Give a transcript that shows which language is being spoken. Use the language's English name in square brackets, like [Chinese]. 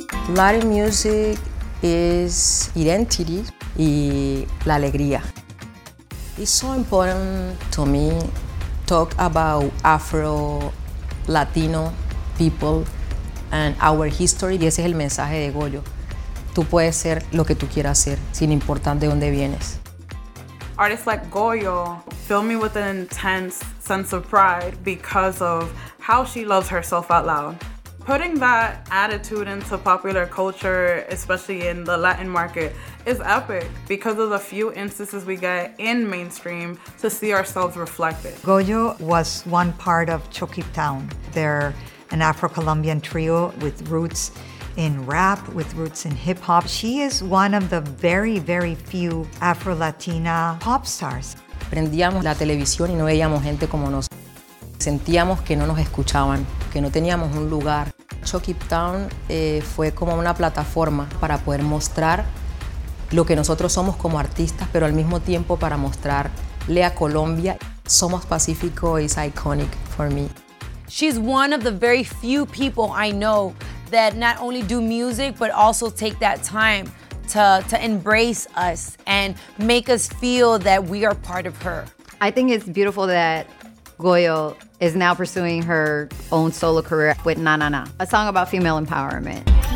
[English] Latin music is identity [Spanish] y la alegría. [English] It's so important to me talk about Afro-Latino people and our history. [Spanish] Y ese es el mensaje de Goyo. Tú puedes ser lo que tú quieras ser, sin importar de dónde vienes. [English] Artists like Goyo fill me with an intense sense of pride because of how she loves herself out loud. Putting that attitude into popular culture, especially in the Latin market, is epic because of the few instances we get in mainstream to see ourselves reflected. Goyo was one part of Chocip Town. They're an Afro-Colombian trio with roots in rap, with roots in hip hop. She is one of the very, very few Afro-Latina pop stars. [Spanish] Prendíamos la televisión y no veíamos gente como nos. Sentíamos que no nos escuchaban, que no teníamos un lugar. Chocip Town fue como una plataforma para poder mostrar lo que nosotros somos como artistas, pero al mismo tiempo para mostrarle a Colombia. [English] Somos Pacífico is iconic for me. She's one of the very few people I know that not only do music, but also take that time to embrace us and make us feel that we are part of her. I think it's beautiful that Goyo is now pursuing her own solo career with Na Na Na, a song about female empowerment.